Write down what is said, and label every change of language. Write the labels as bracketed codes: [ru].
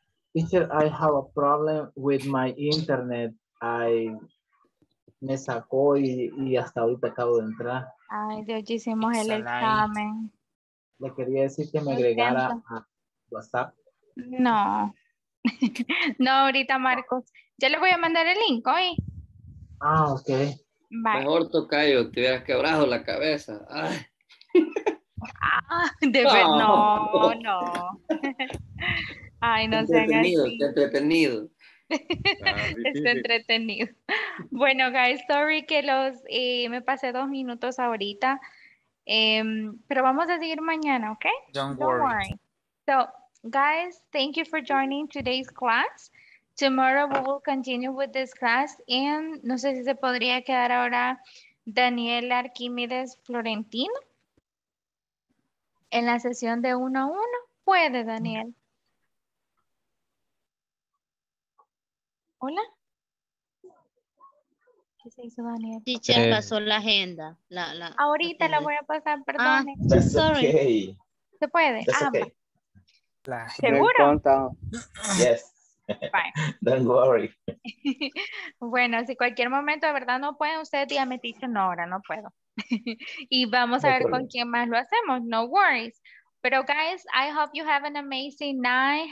[en] Teacher, I have a problem with my internet. [es] I me sacó y hasta ahorita acabo de entrar. Ay, ya hicimos el examen. Le quería decir que me agregara a WhatsApp. No. No, ahorita, Marcos. Ya le voy a mandar el link hoy. Ah, ok. Bye. Mejor tocayo, te hubieras quebrado la cabeza. Ay. Ah, de ver, no, no, no. Ay, no se haga así. Está entretenido. Está entretenido. Bueno, guys, sorry que los me pasé 2 minutos ahorita. Pero vamos a seguir mañana, ¿ok? [en] Don't worry. So, guys, thank you for joining today's class. Tomorrow we will continue with this class and [es] no sé si se podría quedar ahora Daniel Arquímedes Florentino en la sesión de 1-1. ¿Puede, Daniel? ¿Hola? ¿Qué se hizo, Daniel? Teacher pasó la agenda. Ahorita la voy a pasar, perdón. [en] Ah, that's sorry. [es] Okay. ¿Se puede? [en] That's okay. [es] ¿Seguro? [en] Yes. Fine. Don't worry. [es] Bueno, si cualquier momento de verdad no puede usted, ya me dice, no, ahora no puedo. Y vamos a no ver problem. Con quién más lo hacemos. [en] No worries. Pero guys, I hope you have an amazing night.